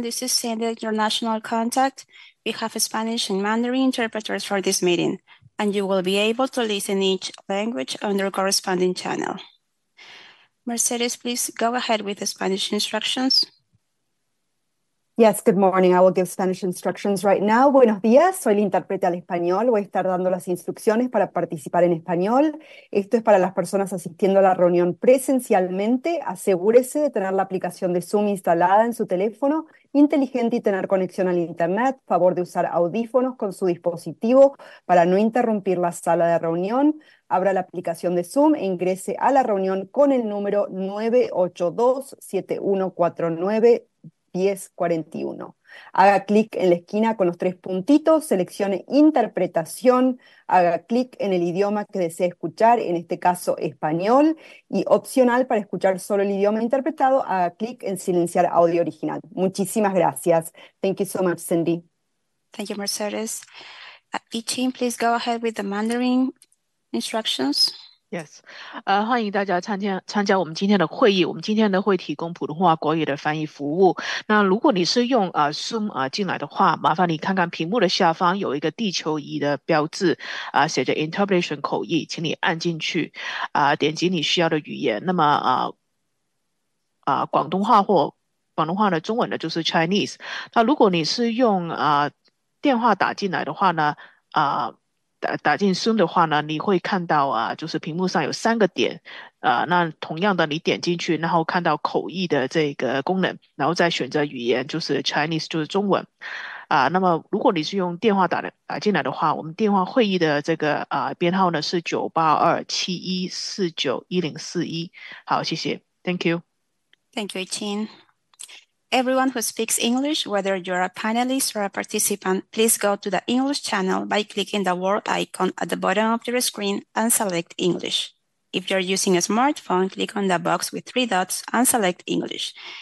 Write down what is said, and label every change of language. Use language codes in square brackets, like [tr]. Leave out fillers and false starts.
[en] This is Sandy, your national contact. We have Spanish and Mandarin interpreters for this meeting, and you will be able to listen each language on the corresponding channel. Mercedes, please go ahead with the Spanish instructions. Yes, good morning. I will give Spanish instructions right now. [es] Buenos días, soy la intérprete al español. Voy a estar dando las instrucciones para participar en español. Esto es para las personas asistiendo a la reunión presencialmente. Asegúrese de tener la aplicación de Zoom instalada en su teléfono inteligente y tener conexión al internet. Favor de usar audífonos con su dispositivo para no interrumpir la sala de reunión. Abra la aplicación de Zoom e ingrese a la reunión con el número 982-7149. 1041. Haga clic en la esquina con los tres puntitos, seleccione interpretación, haga clic en el idioma que desea escuchar, en este caso español, y opcional para escuchar solo el idioma interpretado, haga clic en silenciar audio original. Muchísimas gracias. [en] Thank you so much, Cindy. Thank you, Mercedes. Yichin, please go ahead with the Mandarin instructions. [zh] Yes, 欢迎大家参加我们今天的会议。我们今天呢会提供普通话国语的翻译服务。那如果你是用Zoom 进来的话，麻烦你看看屏幕的下方有一个地球仪的标志，写着 Interpretation 口译，请你按进去，点击你需要的语言。那么广东话的中文的就是 Chinese。那如果你是用电话打进来的话呢，打进 Zoom 的话呢，你会看到就是屏幕上有三个点，那同样的你点进去，然后看到口译的这个功能，然后再选择语言，就是 Chinese 就是中文。那么如果你是用电话打进来的话，我们电话会议的这个编号呢是98271491041。好，谢谢， [en] Thank you。 Thank you, Chin. Everyone who speaks English, whether you're a panelist or a participant, please go to the English channel by clicking the world icon at the bottom of your screen and select English. If you're using a smartphone, click on the box with three dots and select English.